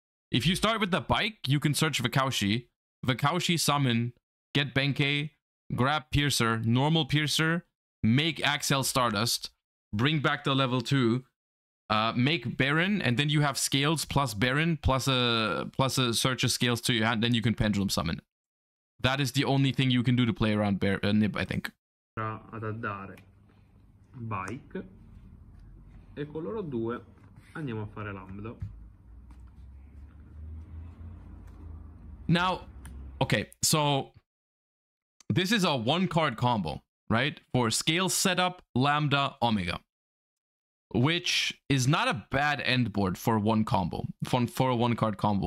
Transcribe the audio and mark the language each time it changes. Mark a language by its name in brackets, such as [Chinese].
[English] If you start with the Bike, you can search Vakaushi. Vakaushi summon, get Benkei, grab Piercer, normal Piercer, make Axel Stardust, bring back the level 2, make Baron, and then you have scales plus Baron plus a search of scales to your hand, then you can pendulum summon. That is the only thing you can do to play around Nib, I think. [Italian] Ad andare Bike e con loro due andiamo a fare Lambda. [English] Now, okay, so this is a one card combo, right? For scale setup, Lambda, Omega. Which is not a bad end board for one combo, for a one card combo.